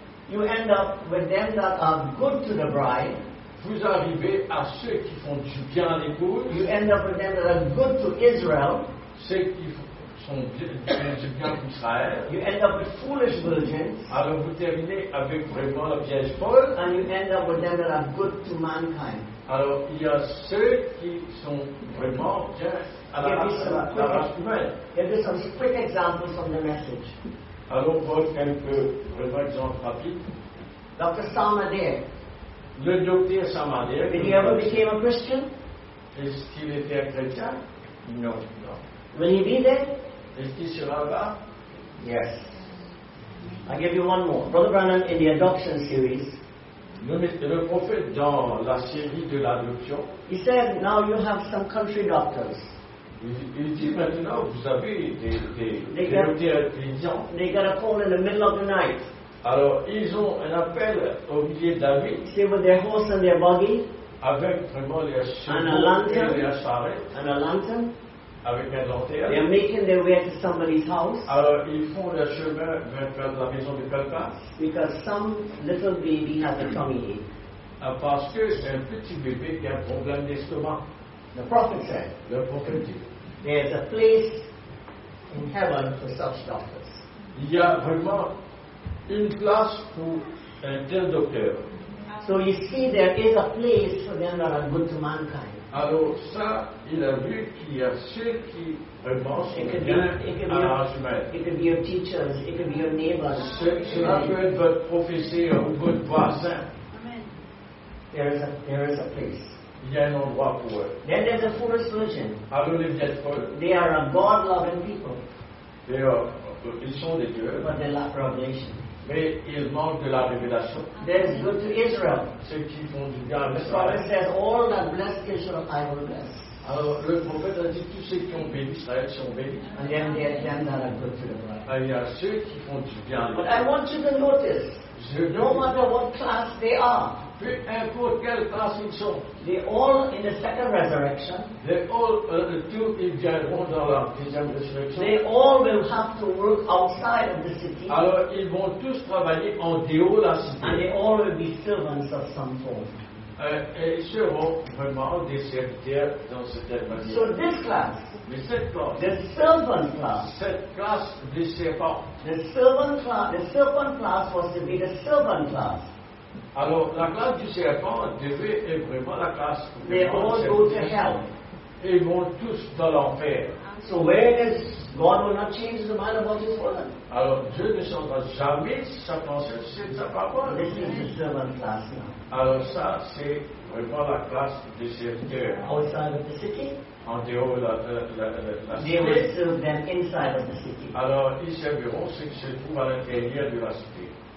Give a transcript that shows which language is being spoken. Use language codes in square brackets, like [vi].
[en] you end up with them that are good to the bride. [fr] Vous arrivez à ceux qui font du bien à l'épouse. [en] You end up with them that are good to Israel. [fr] Ceux qui font du bien à Israël. [en] You end up with foolish virgins. [fr] Alors vous terminez avec vraiment la vierge folle. [en] And you end up with them that are good to mankind. [fr] Alors il y a ceux qui sont vraiment bien à la race humaine. [en] Give me some quick examples from the message. [fr] Alors voir quelques vraiment exemples rapides. [en] Dr. Salmadeh. [fr] Le docteur Samadir. [en] Did he ever become a Christian? [fr] Est-ce qu'il était un chrétien? Non, non. [en] Will he be there? [fr] Est-ce qu'il sera là? [en] Yes. I give you one more. Brother Branham, in the adoption series. [fr] Le prophète dans la série de l'adoption. [en] He said, now you have some country doctors. [fr] Il dit maintenant, vous avez des docteurs chrétiens. [en] They got a call in the middle of the night. [fr] Alors, ils ont un appel au milieu de la nuit. C'est [en] with their horse and their buggy. [fr] Avec vraiment leur chevaux et leur charrette. [en] And a lantern. [fr] Avec un lanterne. [en] They are making their way to somebody's house. [fr] Alors, ils font leur chemin vers la maison de quelqu'un. [en] Because some little baby has a tummy ache. [fr] Parce que c'est un petit bébé qui a un problème d'estomac. [en] The prophet said. [fr] Le prophète dit. [en] There is a place in heaven for such doctors. [fr] Il y a vraiment une place pour un tel docteur. [en] So you see, there is a place for them that are good to mankind. [fr] Alors ça, il a vu qu'il y a ceux qui [en] It could be your teachers, it could be your neighbors. [fr] Cela peut être votre professeur ou votre voisin. [en] There is a place. [fr] Il y a un endroit pour eux. [en] Then there's a fourth version. [fr] Alors les deux autres. [en] They are a God-loving people. [fr] Ils sont des dieux. [en] But they lack revelation. [fr] Mais ils manquent de la révélation. [en] There's good to Israel. [fr] Ceux qui font du bien. [en] The prophet says, "All that bless Israel, I will bless." [fr] Alors le prophète a dit tous ceux qui ont béni Israël sont bénis. [en] And then there are them that are good to the Lord. [fr] Il y a ceux qui font du bien. [en] But I want you to notice. No matter what class they are. [fr] Peu importe quelle classe ils sont. [en] They all in the second resurrection. They all [fr] tous ils viendront dans la deuxième résurrection. [en] They all will have to work outside of the city. [fr] Alors ils vont tous travailler en dehors de la cité. [en] And they all will be servants of some form. [fr] Ils seront vraiment des serviteurs dans cette manière. [en] So this class, [fr] mais cette classe, [en] the servant class, [fr] cette classe des servants, [en] the servant class was to be the servant class. [fr] Alors la classe du serpent devait être vraiment la classe. [en] They all go to hell. [fr] Ils vont tous dans l'enfer. [en] So where is God will not change the mind about his word? [fr] Alors Dieu ne changera jamais sa pensée sur sa parole. [en] This is the servant class now. [fr] Alors ça c'est vraiment la classe du serviteur. [en] Outside of the city. [fr] En dehors de la cité. [en] They will serve them inside of the city. [fr] Alors ils serviront ceux qui se trouvent à l'intérieur de la cité.